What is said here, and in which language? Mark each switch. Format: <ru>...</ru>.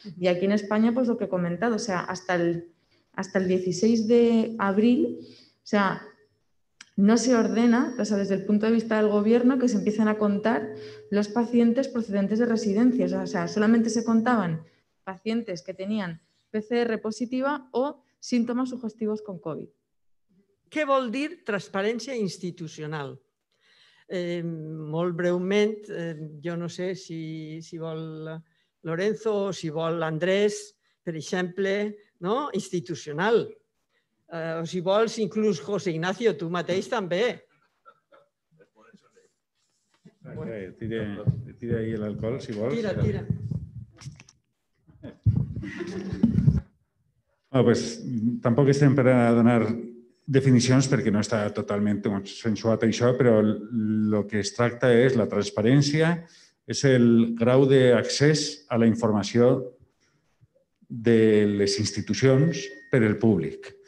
<es>Y aquí en España, pues lo que he comentado, o sea, hasta el 16 de abril, o sea, no se ordena, o sea, desde el punto de vista del gobierno, que se empiecen a contar los pacientes procedentes de residencias. O sea, solamente se contaban pacientes que tenían PCR positiva o síntomas sugestivos con COVID.</es> <ca>Què vol dir transparència institucional? Molt breument, jo no sé si vol Lorenzo o si vol Andrés, per exemple, no? Institucional. O si vols, inclús José Ignacio, tu mateix també. Tira ahí el alcohol, si vols. Tira. Bueno, pues tampoc estem per a donar definicions perquè no està totalment consensuat això, però el que es tracta és la transparència, és el grau d'accés a la informació de les institucions per al públic.</ca>